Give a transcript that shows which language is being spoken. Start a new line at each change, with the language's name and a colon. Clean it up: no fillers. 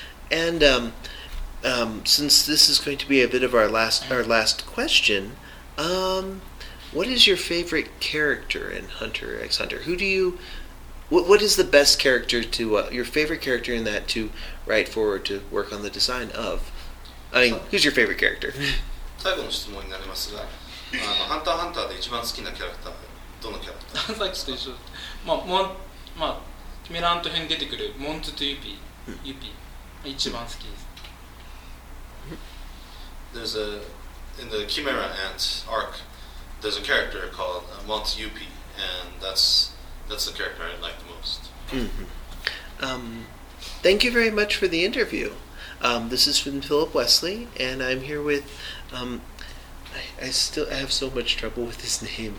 English: And since this is going to be a bit of our last question, what is your favorite character in Hunter x Hunter? Who do you, what is the best character to, your favorite character in that to write for or to work on the design of? I mean, who's your favorite character?
Japanese: 最後の質問になりますが、ハンター×ハンターで一番好きなキャラクターはどのキャラクターですか？さっきと一緒。キメラント編に出てくるモンズとユピ、一番好きです。
English: There's a, in the Chimera Ant arc, there's a character called Montz Yupi, and that's the character I like the most. Thank you very much for the interview. This has been Philip Wesley, and I'm here with, I have so much trouble with his name.